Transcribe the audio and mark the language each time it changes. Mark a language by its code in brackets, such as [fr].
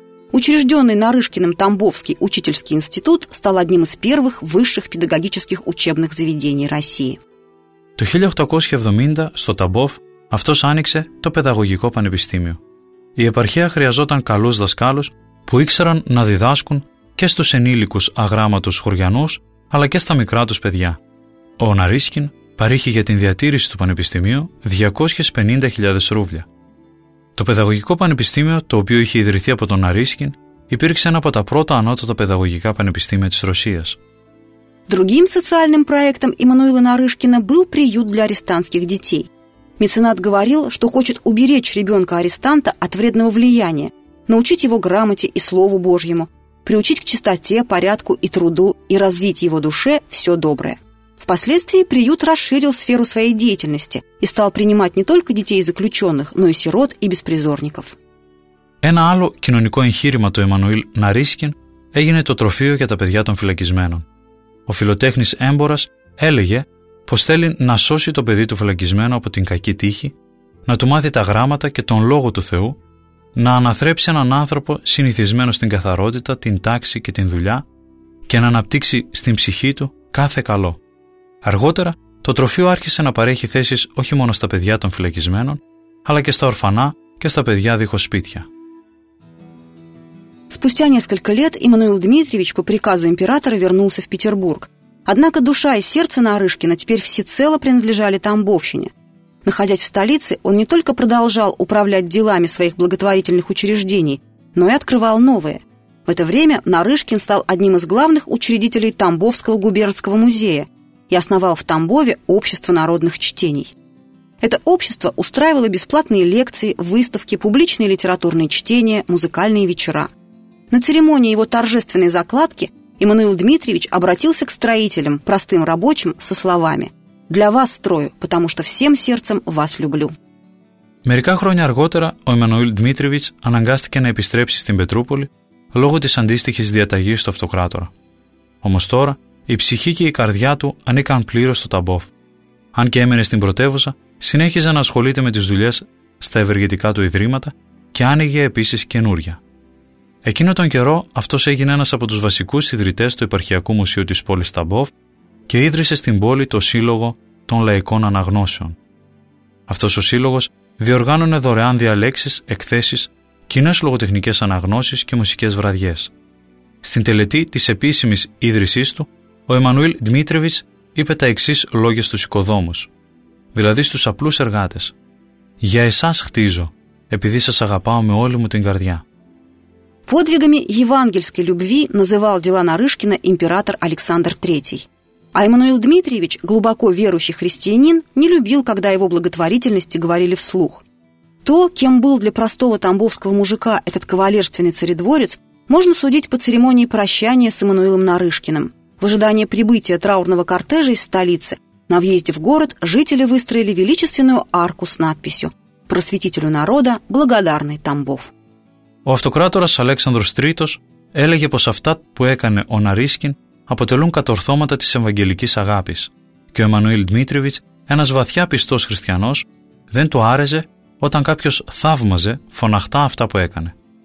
[ru] Учрежденный Нарышкиным Тамбовский учительский институт стал одним из первых высших педагогических учебных заведений России. [el] Το 1870 στο Ταμπόφ αυτός άνοιξε το Παιδαγωγικό Πανεπιστήμιο. Η επαρχία χρειαζόταν καλούς δασκάλους που ήξεραν να διδάσκουν και στους ενήλικους αγράμματους χωριανούς αλλά και στα μικρά τους παιδιά. Ο Ναρίσκιν παρήχε για την διατήρηση του Πανεπιστημίου 250.000 ρούβλια. Το Παιδαγωγικό Πανεπιστήμιο, το οποίο είχε ιδρυθεί από τον Ναρίσκιν, υπήρξε ένα από τα πρώτα ανώτατα παιδαγωγικά πανεπιστήμια της Ρωσίας. [ru] Другим социальным проектом Эммануила Нарышкина был приют для арестантских детей. Меценат говорил, что хочет уберечь ребенка-арестанта от вредного влияния, научить его грамоте и слову Божьему, приучить к чистоте, порядку и труду и развить его душе все доброе. Впоследствии приют расширил сферу своей деятельности и стал принимать не только детей-заключенных, но и сирот и беспризорников. [el] Ένα άλλο κοινωνικό εγχείρημα του Эммануил Нарышкин έγινε το τροφείο για τα παιδιά των φυλακισμένων. Ο φιλοτέχνης έμπορας έλεγε πως θέλει να σώσει το παιδί του φυλακισμένο από την κακή τύχη, να του μάθει τα γράμματα και τον λόγο του Θεού, να αναθρέψει έναν άνθρωπο συνηθισμένο στην καθαρότητα, την τάξη και την δουλειά και να αναπτύξει στην ψυχή του κάθε καλό. Αργότερα, το τροφείο άρχισε να παρέχει θέσεις όχι μόνο στα παιδιά των φυλακισμένων, αλλά και στα ορφανά και στα παιδιά δίχως σπίτια. [ru] Спустя несколько лет Эммануил Дмитриевич по приказу императора вернулся в Петербург. Однако душа и сердце Нарышкина теперь всецело принадлежали Тамбовщине. Находясь в столице, он не только продолжал управлять делами своих благотворительных учреждений, но и открывал новые. В это время Нарышкин стал одним из главных учредителей Тамбовского губернского музея и основал в Тамбове общество народных чтений. Это общество устраивало бесплатные лекции, выставки, публичные литературные чтения, музыкальные вечера. На церемонии его торжественной закладки Эммануил Дмитриевич обратился к строителям, простым рабочим, со словами: «Для вас строю, потому что всем сердцем вас люблю». [el] Μερικά χρόνια αργότερα ο Εμμανουήλ Δημήτριβιτς αναγκάστηκε να επιστρέψει στην Πετρούπολη λόγω της αντίστοιχης διαταγής στο αυτοκράτορα. Όμως τώρα η ψυχή και η καρδιά του ανήκαν πλήρως στο Ταμπόφ. Αν και έμενε στην πρωτεύουσα, συνέχιζε να ασχολείται με τις δουλειές στα ευεργετικά του ιδρύματα και άνοιγε επίσης καινούρια. Εκείνο τον καιρό αυτός έγινε ένας από τους βασικούς ιδρυτές του Επαρχιακού Μουσείου της πόλης Ταμπόφ και ίδρυσε στην πόλη το Σύλλογο των Λαϊκών Αναγνώσεων. Αυτός ο σύλλογος διοργάνωνε δωρεάν διαλέξεις, εκθέσεις, κοινές λογοτεχνικές αναγνώσεις και μουσικές βραδιές. Στην τελετή της επίσημης ίδρυσής του, ο Εμμανουήλ Δημήτριβιτς είπε τα εξής λόγια στους οικοδόμους, δηλαδή στους απλούς εργάτες: «Για εσάς χτίζω, επειδή σας αγαπάω με όλη μου την καρδιά». [ru] Подвигами евангельской любви называл дела Нарышкина император Александр III. А Эммануил Дмитриевич, глубоко верующий христианин, не любил, когда его благотворительности говорили вслух. То, кем был для простого тамбовского мужика этот кавалерственный царедворец, можно судить по церемонии прощания с Эммануилом Нарышкиным. В ожидании прибытия траурного кортежа из столицы на въезде в город жители выстроили величественную арку с надписью «Просветителю народа, благодарный Тамбов». [el] Ο αυτοκράτορας Αλέξανδρος III έλεγε πως αυτά που έκανε ο Ναρίσκιν αποτελούν κατορθώματα της ευαγγελικής αγάπης και ο Εμμανουήλ Δημήτριβιτς, ένας βαθιά πιστός χριστιανός, δεν του άρεζε όταν κάποιος θαύμαζε φωναχτά αυτά που έκανε.